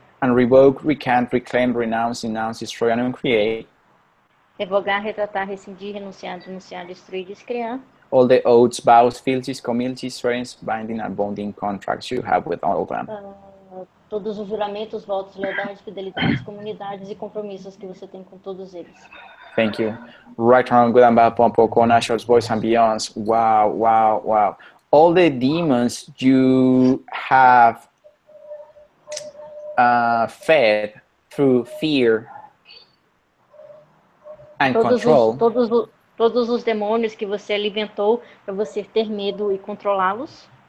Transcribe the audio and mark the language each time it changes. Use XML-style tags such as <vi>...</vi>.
<en>And revoke, recant, reclaim, renounce, denounce, destroy, and uncreate.</en> <pt>Revogar, retratar, rescindir, renunciar, denunciar, destruir, descriar.</pt> <en>All the oaths, vows, fealties, commilities, swearings, binding and bonding contracts you have with all of them.</en> <pt>Todos os juramentos, votos, lealdades, fidelidades, comunidades e compromissos que você tem com todos eles.</pt> <en>Thank you. Right on, good and bad, pompo, conashorts, boys and beyonds. Wow. All the demons you have fed through fear. And control.</en> <pt>Todos os demônios que você alimentou para você ter medo e controlá-los.</pt>